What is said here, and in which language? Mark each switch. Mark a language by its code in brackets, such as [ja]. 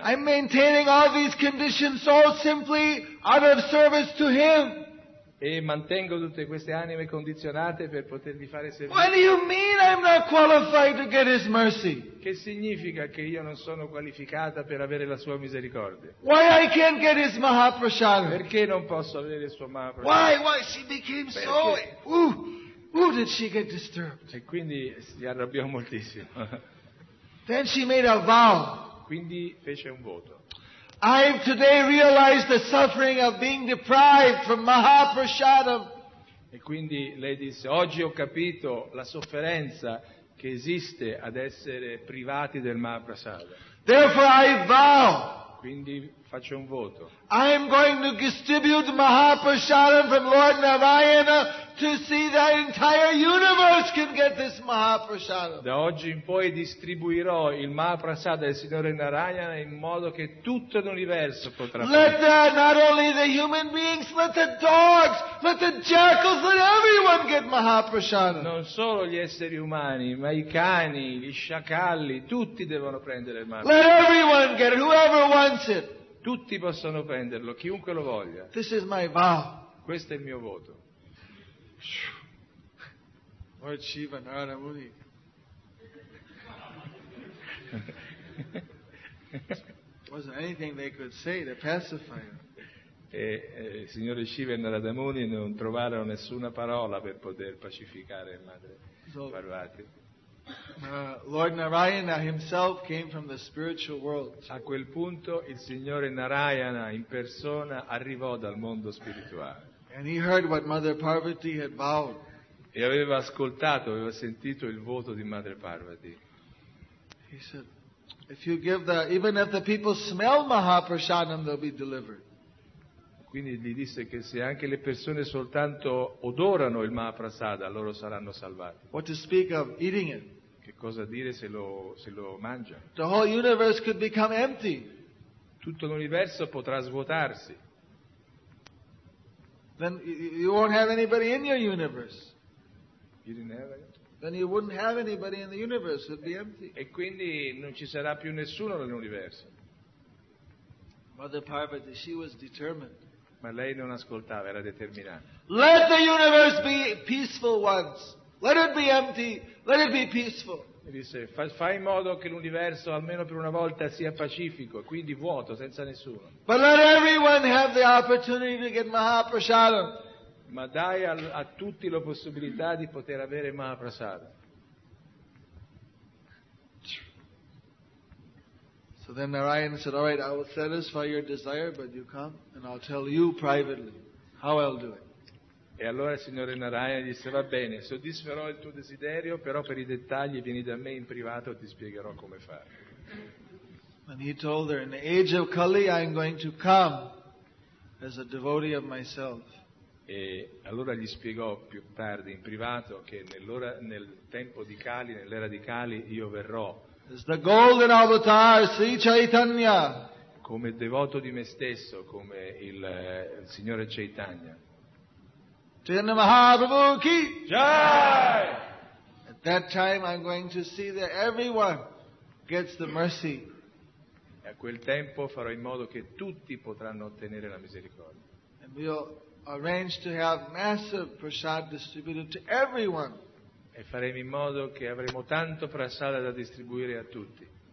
[en] I'm maintaining all these conditioned souls simply out of service to him. [it] E mantengo tutte queste anime condizionate per potervi fare servizio. [en] What do you mean I'm not qualified to get his mercy? [it] Che significa che io non sono qualificata per avere la sua misericordia? [en] Why I can't get his Mahaprasada? [it] Perché non posso avere il suo Mahaprasada? [en] Why she became so did she get disturbed? [it] E quindi si arrabbiò moltissimo. [en] Then she made a vow. [it] Quindi fece un voto. [en] I have today realized the suffering of being deprived from Mahaprasadam. [it] E quindi lei disse: oggi ho capito la sofferenza che esiste ad essere privati del Mahaprasadam. [en] Therefore I vow. [it] Quindi faccio un voto. [en] I am going to distribute Mahaprasadam from Lord Narayana to see that entire universe can get this Mahaprasadam. [it] Da oggi in poi distribuirò il Mahaprasadam del Signore Narayana in modo che tutto l'universo potrà. [en] Let the, not only the human beings, let the dogs, let the jackals, let everyone get Mahaprasadam. [it] Non solo gli esseri umani, ma i cani, gli sciacalli, tutti devono prendere il Mahaprasadam. [en] Let everyone get it, whoever wants it. [it] Tutti possono prenderlo, chiunque lo voglia. [en] This is my vow. [it] Questo è il mio voto. [en] Lord Shiva Narada Muni. Wasn't anything they could say to pacify him. [it] E il signore Shiva e Narada Muni non trovarono nessuna parola per poter pacificare Madre Parvati. [en] Lord Narayana himself came from the spiritual world. [it] A quel punto il signore Narayana in persona arrivò dal mondo spirituale. [en] And he heard what Mother Parvati had vowed. [it] E aveva ascoltato, aveva sentito il voto di Madre Parvati. [en] He said, if you give the, even if the people smell Mahaprasadam, they'll be delivered. [it] Quindi gli disse che se anche le persone soltanto odorano il Mahaprasada, loro saranno salvati. [en] What to speak of eating it? [it] Che cosa dire se lo mangia? [en] The whole universe could become empty. [it] Tutto l'universo potrà svuotarsi. [en] Then you won't have anybody in your universe. You didn't have it. Then you wouldn't have anybody in the universe. It'd be empty. [it] E quindi non ci sarà più nessuno nell'universo. [en] Mother Parvati, she was determined. [it] Ma lei non ascoltava, era determinata. [en] Let the universe be peaceful once. Let it be empty. Let it be peaceful. [it] E disse: fai in modo che l'universo almeno per una volta sia pacifico, quindi vuoto, senza nessuno. [en] But let everyone have the opportunity to get Mahaprasadam. [it] Ma dai a tutti la possibilità di poter avere Mahaprasadam. [en] So then Narayana said, all right, I will satisfy your desire, but you come and I'll tell you privately how I'll do it. [it] E allora il signore Narayana disse, va bene, soddisferò il tuo desiderio, però per i dettagli vieni da me in privato e ti spiegherò come fare. [en] And he told her, in the age of Kali, I'm going to come as a devotee of myself. [it] E allora gli spiegò più tardi in privato che nel tempo di Kali, nell'era di Kali, io verrò. [en] As the golden avatar, Sri Chaitanya. [it] Come devoto di me stesso, come il signore Chaitanya. [hi] Jai Mahaprabhu ki jai. [en] At that time I'm going to see that everyone gets the mercy. [it] E a quel tempo farò in modo che tutti potranno ottenere la misericordia. [en] And we'll arrange to have massive prasad distributed to everyone. [it] E faremo in modo che avremo tanto prasada da distribuire a tutti.